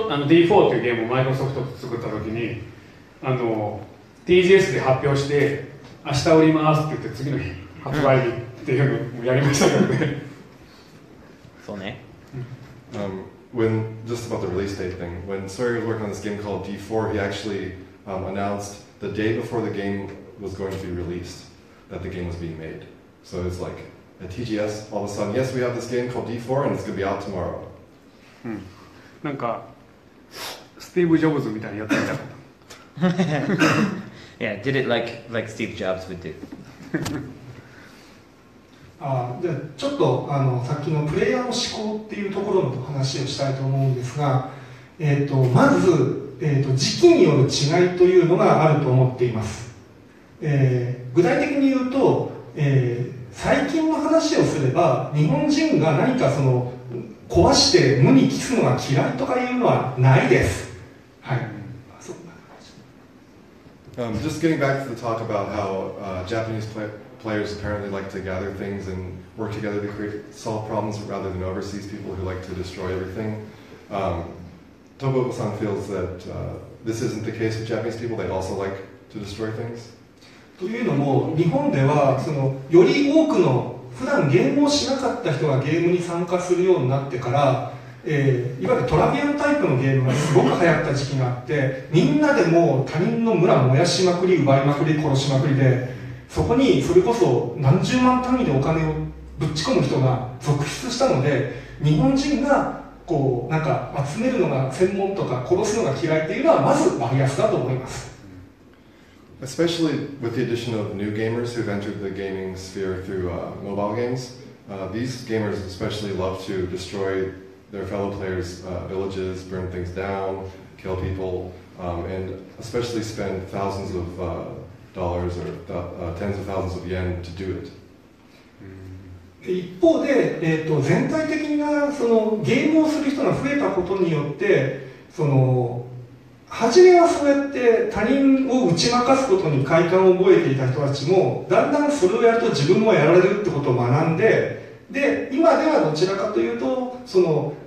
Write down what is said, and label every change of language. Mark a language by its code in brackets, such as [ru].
[ja] D4 というゲームをマイクロソフトと作ったときに、TGS で発表して、明日売りますって言って、次の日、発売日っていうのをやりましたからね。そうね。 [en] When, just about the release date thing, when Sawyer was working on this game called D4, he actually announced the day before the game was going to be released that the game was being made. So it's like a TGS, all of a sudden, yes, we have this game called D4 and it's going to be out tomorrow. [ja] なんかスティーブ・ジョブズみたいにやってみたかった。 [en] Yeah, did it like Steve Jobs would do. [ja] じゃあちょっとさっきのプレイヤーの思考っていうところの話をしたいと思うんですが、まず、時期による違いというのがあると思っています。具体的に言うと、最近の話をすれば日本人が何かその壊して無に帰すのが嫌いとかいうのはないです。はい。 [en] Just getting back to the talk about how Japanese players apparently like to gather things and work together to create, solve problems rather than overseas people who like to destroy everything. Tobo-san feels that this isn't the case with Japanese people. They also like to destroy things. [ja] というのも日本ではそのより多くの普段ゲームをしなかった人がゲームに参加するようになってから、いわゆるトラビアンタイプのゲームがすごく流行った時期があって、みんなでも他人の村燃やしまくり、奪いまくり、殺しまくりで、そこにそれこそ何十万単位でお金をぶっち込む人が続出したので、日本人がこうなんか集めるのが専門とか殺すのが嫌いっていうのはまずバリアスだと思います。 [en] Especially with the addition of new gamers who've entered the gaming sphere through mobile games, these gamers especially love to destroy their fellow players' villages, burn things down, kill people, and especially spend thousands of dollars or tens of thousands of yen to do it. [ja] 一方で、全体的なそのゲームをする人が増えたことによって、その初めはそうやって他人を打ち負かすことに快感を覚えていた人たちも、だんだんそれをやると自分もやられるってことを学んで、で今ではどちらかというと、その